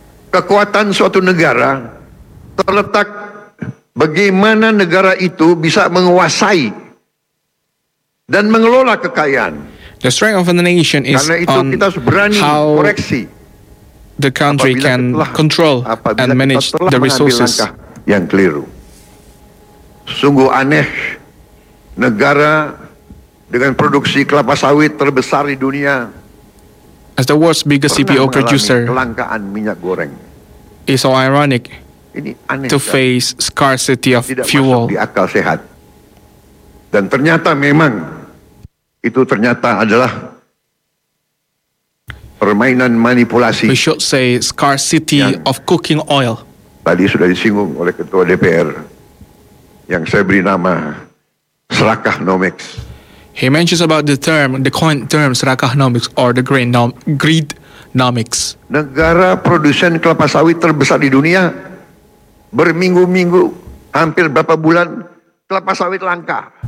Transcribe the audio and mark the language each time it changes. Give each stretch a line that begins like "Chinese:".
Indonesian: Kekuatan suatu negara terletak bagaimana negara itu bisa menguasai dan mengelola kekayaan.
English: The strength of a nation is on how the country can control and manage the resources.
Indonesian: Yang keliru. Sungguh aneh, negara dengan produksi kelapa sawit terbesar di dunia,
English: as the world's biggest CPO producer,
Indonesian: kelangkaan minyak goreng.
English: It's so ironic to face scarcity of fuel.
Indonesian: Tidak masuk di akal sehat. Dan ternyata memang itu ternyata adalah permainan manipulasi.
English: We should say scarcity of cooking oil.
Indonesian: Tadi sudah disinggung oleh ketua DPR yang saya beri nama Serakahnomics.
English: He mentions about the term, the coined term Serakahnomics or the greednomics.
Indonesian: Negara produsen kelapa sawit terbesar di dunia berminggu-minggu hampir berapa bulan kelapa sawit langka.